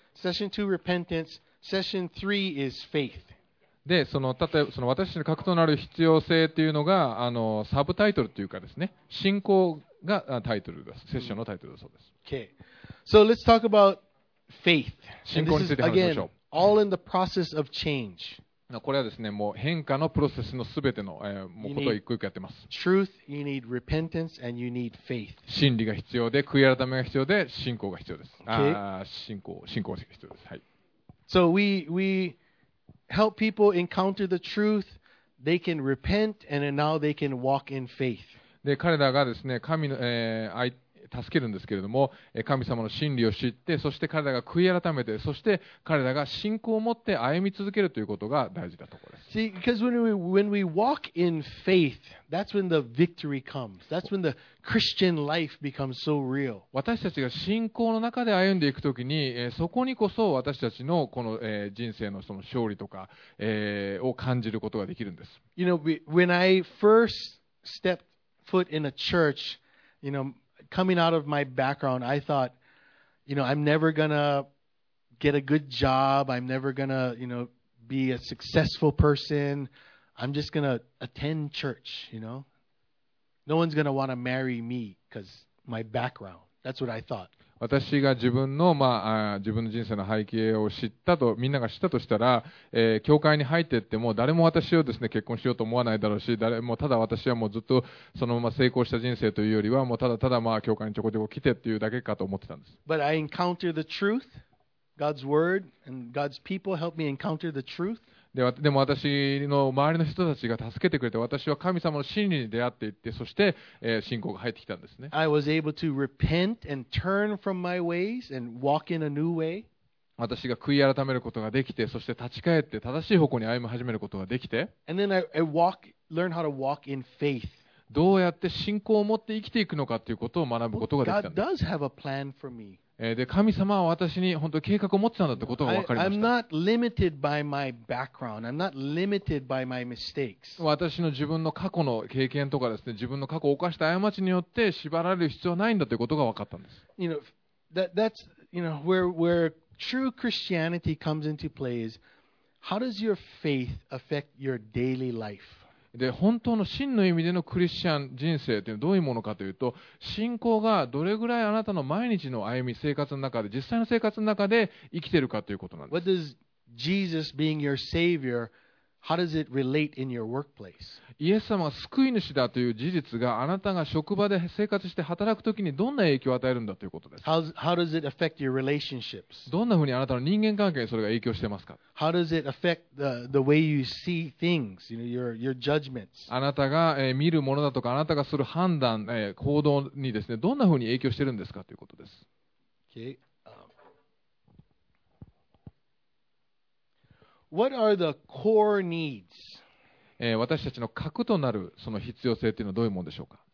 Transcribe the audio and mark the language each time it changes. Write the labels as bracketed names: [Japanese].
[English] Session 2, repentance. Session 3 is faith. [Japanese] でその例えばその私の核となる必要性というのがあのサブタイトルというかですね、信仰がタイトルです、セッションのタイトルだそうです。 [English] Okay. So let's talk about faith. [Japanese] 信仰について話しましょう。 [English] This is, again, all in the process of change. [Japanese] これはですね、もう変化のプロセスのすべての、もうことを一個一個やってます。 [English] Truth, you need repentance, and you need faith. [Japanese] 真理が必要で、悔い改めが必要で、信仰が必要です。 [English] Okay. [Japanese] 信仰が必要です。はい。 [English] So we help people encounter the truth, they can repent, and now they can walk in faith. [Japanese] で、彼らがですね、神の、助けるんですけれども、神様の真理を知って、そして彼らが悔い改めて、そして彼らが信仰を持って歩み続けるということが大事だところです。 [English] See, because when we walk in faith, that's when the victory comes. That's when the Christian life becomes so real. [Japanese] 私たちが信仰の中で歩んでいくときに、そこにこそ私たちのこの、人生のその勝利とか、を感じることができるんです。 [English] You know, when I first stepped foot in a church, you know,Coming out of my background, I thought, you know, I'm never gonna get a good job. I'm never gonna, you know, be a successful person. I'm just gonna attend church, you know. No one's gonna wanna marry me because my background. That's what I thought. [Japanese] 私が自分の、まあ、自分の人生の背景を知ったと、みんなが知ったとしたら、教会に入っていっても、誰も私をですね、結婚しようと思わないだろうし、誰も、ただ私はもうずっとそのまま成功した人生というよりは、もうただただ、まあ、教会にちょこちょこ来てっていうだけかと思ってたんです。 [English] But I encounter the truth, God's word, and God's people help me encounter the truth. [Japanese] でも私の周りの人たちが助けてくれて、私は神様の真理に出会っていって、そして信仰が入ってきたんですね。 [English] I was able to repent and turn from my ways and walk in a new way. [Japanese] 私が悔い改めることができて、そして立ち返って正しい方向に歩み始めることができて、 [English] And then I learn how to walk in faith. [Japanese] どうやって信仰を持って生きていくのかということを学ぶことができたんです。 [English] God does have a plan for me. [Japanese] で、神様は私に本当に計画を持ってたんだってことが分かりました。 [English] I'm not limited by my background. I'm not limited by my mistakes. [Japanese] 私の自分の過去の経験とかですね、自分の過去を犯した過ちによって縛られる必要はないんだということが分かったんです。 [English] You know, that's, you know, where true Christianity comes into play is, how does your faith affect your daily life? [Japanese] で、本当の真の意味でのクリスチャン人生というのはどういうものかというと、信仰がどれぐらいあなたの毎日の歩み、生活の中で、実際の生活の中で生きているかということなんです。 [English] What does Jesus being your savior How does it relate in your workplace? [Japanese] イエス様が救い主だという事実があなたが職場で生活して働くときにどんな影響を与えるんだということです。 [English] How does it affect your relationships? [Japanese] どんなふうにあなたの人間関係にそれが影響していますか。 [English] How does it affect the way you see things, you know, your judgments? [Japanese] あなたが見るものだとかあなたがする判断、行動にですね、どんなふうに影響してるんですかということです。 [English] Okay. What are the core needs? [Japanese] 私たちの核となるその必要性というのはどういうものでしょうか。